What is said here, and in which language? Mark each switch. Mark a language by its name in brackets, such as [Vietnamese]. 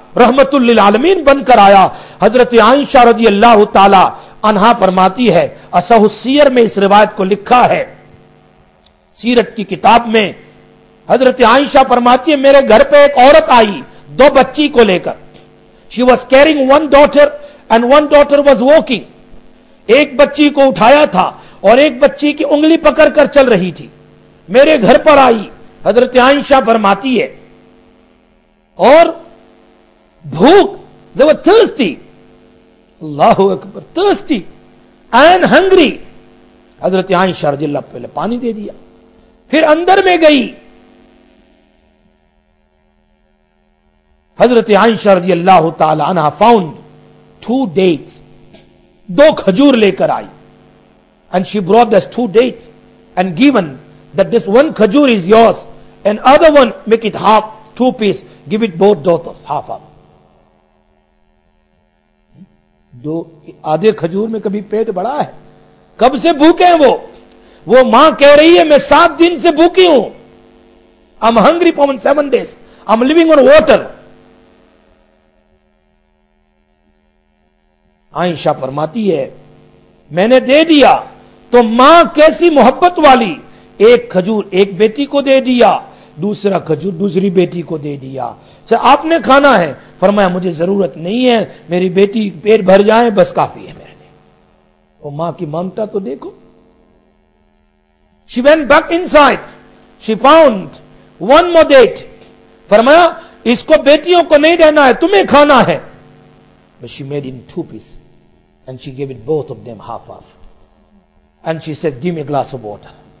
[Urdu] رحمت للعالمین بن کر آیا. حضرت عائشہ رضی اللہ تعالی عنہا فرماتی ہے، اصح السیر میں اس روایت کو لکھا ہے، سیرت کی کتاب میں حضرت عائشہ فرماتی ہے، میرے گھر پہ ایک عورت آئی دو بچی کو لے کر. [English] She was carrying one daughter and one daughter was walking. [Urdu] ایک بچی کو اٹھایا تھا اور ایک بچی کی انگلی پکڑ کر چل رہی تھی. میرے گھر پر آئی، حضرت عائشہ فرماتی ہے، اور بھوک، [English] they were thirsty. [Urdu] Allah Akbar, [English] thirsty and hungry. [Urdu] حضرت عائشہ رضی اللہ پہلے پانی دے دیا، پھر اندر میں گئی. حضرت عائشہ رضی اللہ تعالی عنہ [English] found two dates، [Urdu] دو کھجور لے کر آئی. [English] And she brought us two dates and given that this one khajur is yours and other one make it half, two piece, give it both daughters, half of. [Urdu] دو آدھے کھجور میں کبھی پیٹ بڑا ہے؟ کب سے بھوکے ہیں وہ؟ وہ ماں کہہ رہی ہے، میں سات دن سے بھوکی ہوں. [English] I'm hungry for 7 days. I'm living on water. [Urdu] عائشہ فرماتی ہے، میں نے دے دیا تو ماں کیسی محبت والی، ایک کھجور ایک بیٹی کو دے دیا، دوسرا کھجور دوسری بیٹی کو دے دیا. سر آپ نے کھانا ہے؟ فرمایا مجھے ضرورت نہیں ہے، میری بیٹی پیٹ بھر جائے بس کافی ہے میرے لیے. وہ ماں کی ممتا تو دیکھو. [English] She went back inside. She found one more date. [Urdu] فرمایا اس کو بیٹیوں کو نہیں دینا ہے، تمہیں کھانا ہے. [English] But she made in two pieces and she gave it both of them half off. And she said, give me a glass of water.